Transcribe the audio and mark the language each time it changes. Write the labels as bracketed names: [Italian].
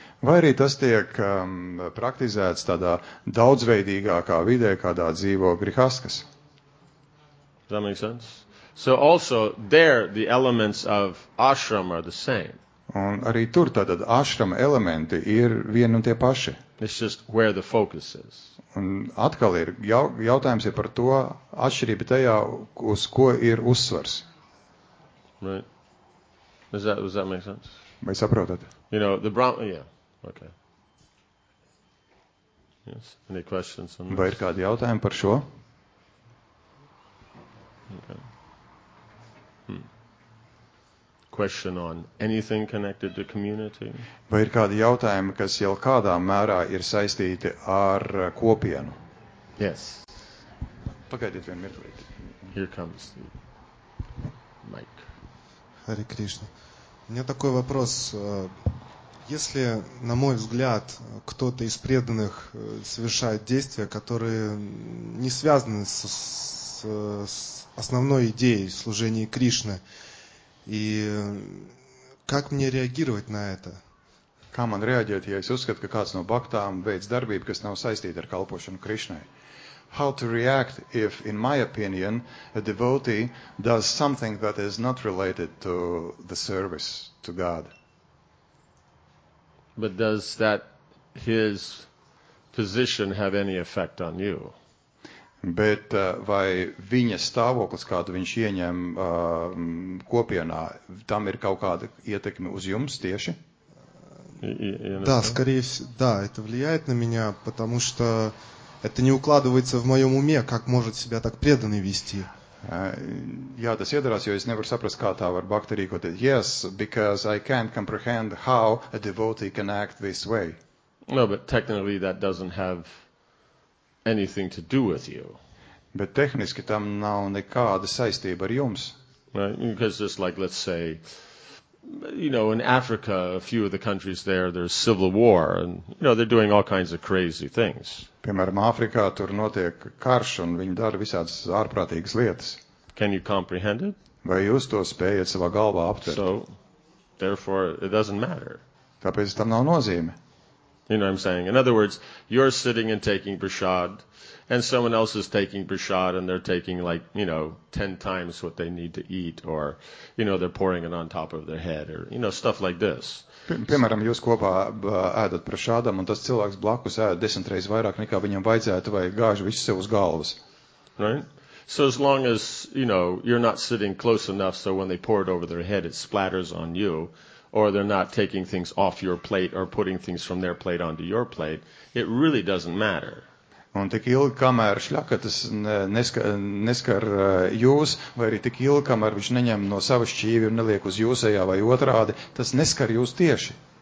[Latvian] Vai arī tas tiek praktizēts tādā daudzveidīgākā vidē, kādā dzīvo grihastas? [English] Does that make sense? So also there the elements of ashram are the same. [Latvian] Un arī tur tātad ashram elementi ir vieni un tie paši. [English] It's just where the focus is. [Latvian] Un atkal ir jautājums ir par to atšķirība tajā, uz ko ir uzsvars. [English] Right. Does that make sense? [Latvian] Vai saprotat? [English] You know, the Brahma, yeah, okay. Yes, any questions on this? [Latvian] Vai ir kādi jautājumi par šo? [English] Okay. Question on anything connected to community? [Latvian] Vai ir kādi jautājumi, kas jau kādā mērā ir saistīti ar kopienu? [English] Yes. [Latvian] Pagaidiet vienu mirklīti. [English] Here comes the mic. [Russian] Hare Krishna. У меня такой вопрос. Если, на мой взгляд, кто-то из преданных совершает действия, которые не связаны с основной идеей служения Кришне, и как мне реагировать на это? [Latvian] Kā man reaģēt, ja es uzskatu, ka kāds no baktām veic darbību, kas nav saistīta ar kalpošanu Krišnai? [English] How to react if, in my opinion, a devotee does something that is not related to the service to God? But does that his position have any effect on you? [Latvian] Bet vai viņa stāvoklis, kādu viņš ieņem kopienā, tam ir kaut kāda ietekme uz jums tieši? [Russian] Да, скорее всего, да, это влияет на меня, потому что это не укладывается в моем уме, как может себя так преданный вести. Я это седрас, я не могу понять, как это может бхакти рикоти. [English] Yes, because I can't comprehend how a devotee can act this way. No, but technically that doesn't have anything to do with you. [Latvian] Bet tehniski tam nav nekāda saistība ar jums. [English] Right, because just like, let's say, you know, in Africa, a few of the countries there's civil war, and, you know, they're doing all kinds of crazy things. [Latvian] Piemēram, Afrikā tur notiek karš, un viņi dara visādas ārprātīgas lietas. [English] Can you comprehend it? [Latvian] Vai jūs to spējat savā galvā aptvert? [English] So, therefore, it doesn't matter. [Latvian] Tāpēc tam nav nozīme. [English] You know what I'm saying? In other words, you're sitting and taking prasad, and someone else is taking prasad, and they're taking, like, you know, 10 times what they need to eat, or, you know, they're pouring it on top of their head, or, you know, stuff like this. [Latvian] Piemēram, jūs kopā ēdat prasādam, un tas cilvēks blakus ēda 10 reizes vairāk, nekā viņam vajadzētu, vai gāž visu sev uz galvas. [English] Right? So as long as, you know, you're not sitting close enough, so when they pour it over their head, it splatters on you, or they're not taking things off your plate or putting things from their plate onto your plate, it really doesn't matter. [Latvian] Un tik ilgi, kamēr šļakatas neskar jūs, vai arī tik ilgi, kamēr viņš neņem no sava šķīvi un neliek uz jūsējā vai otrādi, tas neskar jūs tieši.